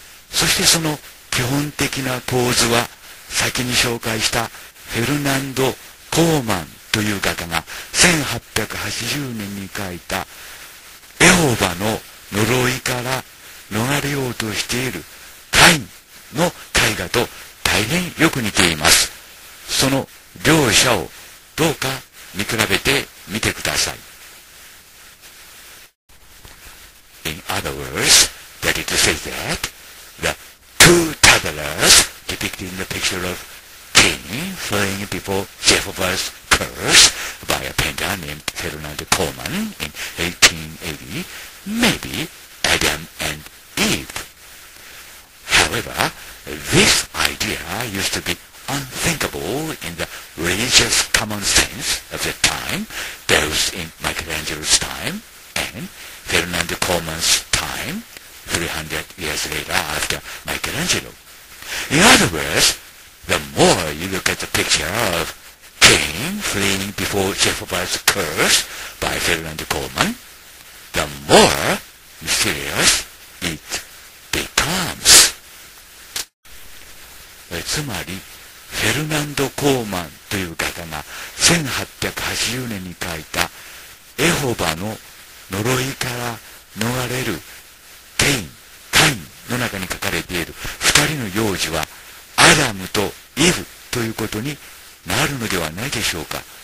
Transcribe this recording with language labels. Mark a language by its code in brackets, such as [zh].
[ja] そしてその基本的な構図は、先に紹介したフェルナンド・コーマンという画家が1880年に描いたエホバの呪いから逃れようとしているカインの絵画と大変よく似ています。その両者をどうか見比べてみてください。 [en] In other words, that is to say that the two toddlers depicted in the picture of Cain fleeing before Jehovah's curse by a painter named Ferdinand Coleman in 1880 maybe Adam and Eve. However, this idea used to be unthinkable in the religious common sense of the time, both in Michelangelo's time and Ferdinand Coleman's time, 300 years later after Michelangelo. In other words, the more you look at the picture of Cain fleeing before Jehovah's curse by Ferdinand Coleman, the more mysterious it becomes. [ja] つまり、フェルナンド・コーマンという方が1880年に書いたエホバの呪いから逃れるカインの中に書かれている二人の幼児はアダムとイブということになるのではないでしょうか。